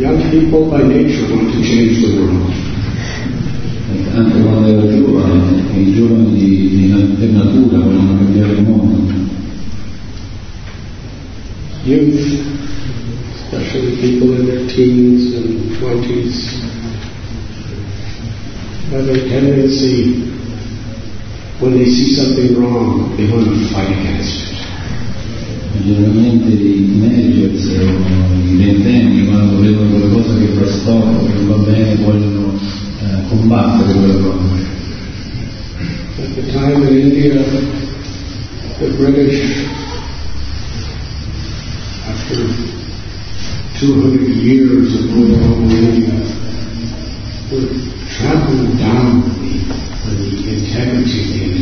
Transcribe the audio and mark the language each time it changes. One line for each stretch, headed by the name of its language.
English: People by nature want to change the world.
Italian: Anche quando era giovane, i giovani di natura vogliono cambiare il mondo.
English: Youth, especially people in their teens and twenties, have a tendency, when they see something wrong, they want to fight against it.
Italian: Generalmente i teenagers o i ventenni, quando vedono qualcosa che fa storia, che va bene, vogliono combattere quella cosa.
English: At the time in India, the British, after 200 years of going over India, were trampling down the integrity of the